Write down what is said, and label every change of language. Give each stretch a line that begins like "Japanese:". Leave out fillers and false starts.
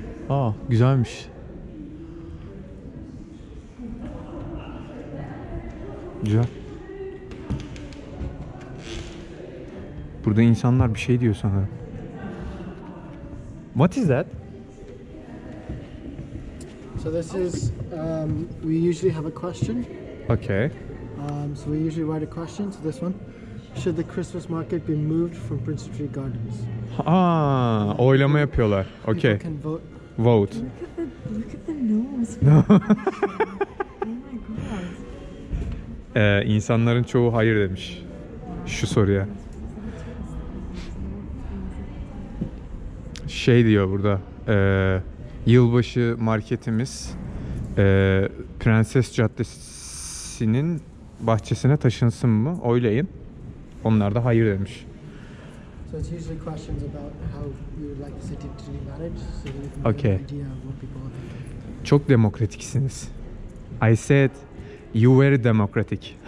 Turkish: Aa, güzelmiş. Güzel. Burada insanlar bir şey diyor sanırım.
English: What is that? So this is we usually have a question. Okay. So we usually write a question to this one. Should the Christmas market be moved from Prince Street Gardens?
Turkish: Ah, oylama yapıyorlar. Okay.
English: People can vote. Vote. Look at the nose. Oh my god.
Turkish: İnsanların çoğu hayır demiş şu soruya. Şey diyor burada. Yılbaşı marketimiz Prenses Caddesi'nin bahçesine taşınsın mı? Oylayın. Onlar da hayır demiş.
English: So it's usually questions about how you would like the city to be managed, so that you can get an idea of what people are thinking.
Turkish: Çok demokratiksiniz.
English: I said you were democratic.